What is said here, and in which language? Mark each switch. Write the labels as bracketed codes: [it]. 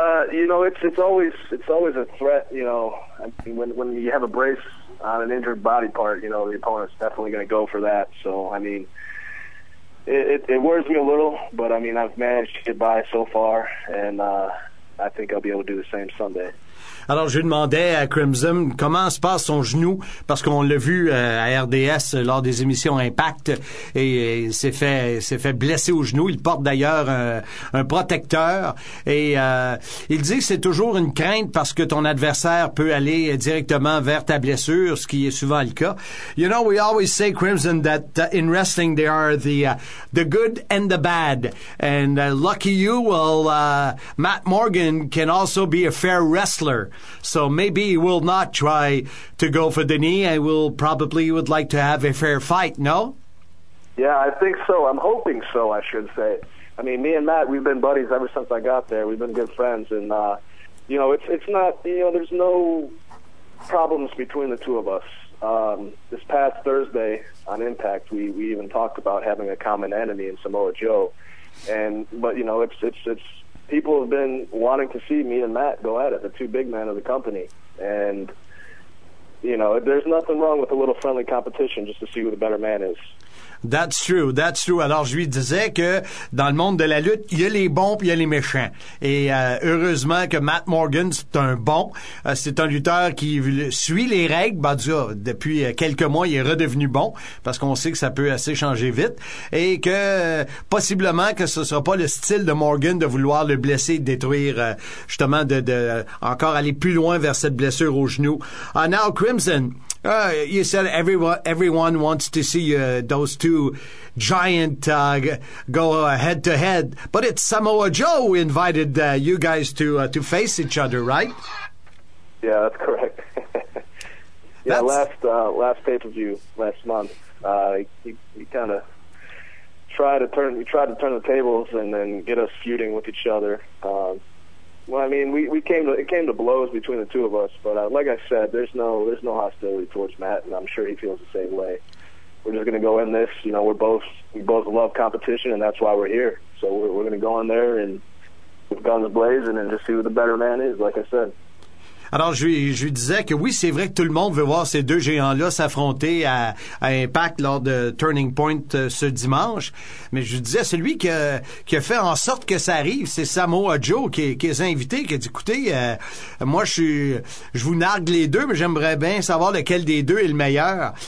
[en] It's always a threat. You know, I mean, when you have a brace on an injured body part, you know, the opponent's definitely going to go for that. So, I mean, it worries me a little, but I mean, I've managed to get by so far, and I think I'll be able to do the same Sunday. [fr] Alors, je lui demandais à Crimson comment se passe son genou, parce qu'on l'a vu à RDS lors des émissions Impact, et il s'est fait blesser au genou. Il porte d'ailleurs un protecteur, et il dit que c'est toujours une crainte parce que ton adversaire peut aller directement vers ta blessure, ce qui est souvent le cas. [en] You know, we always say, Crimson, that in wrestling there are the good and the bad, and lucky you, well, Matt Morgan can also be a fair wrestler. So maybe he will not try to go for the knee. I will probably would like to have a fair fight, no? Yeah, I think so. I'm hoping so, I should say. I mean, me and Matt, we've been buddies ever since I got there. We've been good friends. And, you know, it's not, you know, there's no problems between the two of us. This past Thursday on Impact, we even talked about having a common enemy in Samoa Joe. But, you know, it's people have been wanting to see me and Matt go at it, the two big men of the company. And, you know, there's nothing wrong with a little friendly competition just to see who the better man is. That's true. [fr] Alors, je lui disais que dans le monde de la lutte, il y a les bons puis il y a les méchants. Et heureusement que Matt Morgan, c'est un bon. C'est un lutteur qui suit les règles. Ben, depuis quelques mois, il est redevenu bon parce qu'on sait que ça peut assez changer vite. Et que possiblement que ce ne sera pas le style de Morgan de vouloir le blesser, de détruire, justement, de encore aller plus loin vers cette blessure au genou. [en] Now, Crimson... you said everyone wants to see those two giant go head to head, but it's Samoa Joe who invited you guys to face each other, right? Yeah, that's correct. Yeah, last pay per view last month, he kind of tried to turn the tables and then get us feuding with each other. Well, I mean, it came to blows between the two of us, but like I said, there's no hostility towards Matt, and I'm sure he feels the same way. We're just going to go in this, you know, we both love competition, and that's why we're here. So we're going to go in there and with guns blazing and just see who the better man is, like I said. [fr] Alors, je lui disais que oui, c'est vrai que tout le monde veut voir ces deux géants-là s'affronter à Impact lors de Turning Point ce dimanche. Mais je lui disais, celui qui a fait en sorte que ça arrive, c'est Samoa Joe qui est invité, qui a dit, écoutez, moi, je vous nargue les deux, mais j'aimerais bien savoir lequel des deux est le meilleur.